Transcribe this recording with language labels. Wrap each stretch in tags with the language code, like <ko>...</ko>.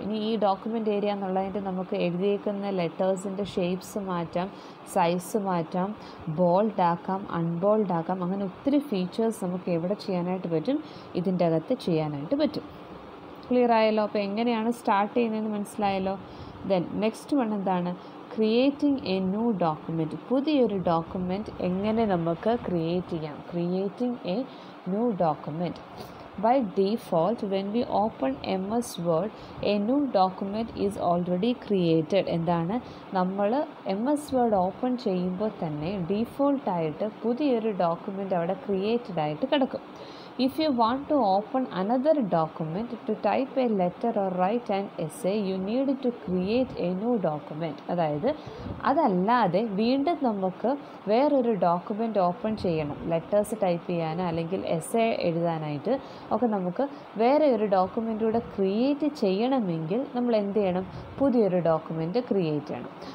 <ml>ഇനി ഈ document area എന്നുള്ളതിൻ്റെ നമുക്ക് എഴുതിയേക്കുന്ന ലെറ്റേഴ്സിൻ്റെ ഷേപ്പ്സ് മാറ്റാം, സൈസ് മാറ്റാം, ബോൾഡ് ആക്കാം, അൺബോൾഡ് ആക്കാം, അങ്ങനെ ഒത്തിരി ഫീച്ചേഴ്സ് നമുക്ക് എവിടെ ചെയ്യാനായിട്ട് പറ്റും, ഇതിൻ്റെ അകത്ത് ചെയ്യാനായിട്ട് പറ്റും. ക്ലിയർ ആയല്ലോ. അപ്പോൾ എങ്ങനെയാണ് സ്റ്റാർട്ട് ചെയ്യുന്നതെന്ന് മനസ്സിലായല്ലോ. ദെൻ നെക്സ്റ്റ് വൺ എന്താണ്,</ml> <en>Creating a new document.</en> <ml>പുതിയൊരു ഡോക്യുമെൻറ്റ് എങ്ങനെ നമുക്ക് ക്രിയേറ്റ് ചെയ്യാം,</ml> <en>Creating a new document. By default, when we open MS Word, a new document is already created.</en> <ml>എന്താണ്, നമ്മൾ MS Word ഓപ്പൺ ചെയ്യുമ്പോൾ തന്നെ ഡീഫോൾട്ട് ആയിട്ട് പുതിയൊരു ഡോക്യുമെൻ്റ് അവിടെ ക്രിയേറ്റഡ് ആയിട്ട് കിടക്കും.</ml> <en>If you want to open another document, to type a letter or write an essay, you need to create a new document.</en> <ml>അതായത് അതല്ലാതെ വീണ്ടും നമുക്ക് വേറൊരു ഡോക്യുമെൻറ്റ് ഓപ്പൺ ചെയ്യണം, ലെറ്റേഴ്സ് ടൈപ്പ് ചെയ്യാനോ അല്ലെങ്കിൽ എസ്സേ എഴുതാനായിട്ട് ഒക്കെ നമുക്ക് വേറെ ഒരു ഡോക്യുമെൻ്റ് കൂടെ ക്രിയേറ്റ് ചെയ്യണമെങ്കിൽ നമ്മൾ എന്ത് ചെയ്യണം, പുതിയൊരു ഡോക്യുമെൻറ്റ് ക്രിയേറ്റ് ചെയ്യണം.</ml>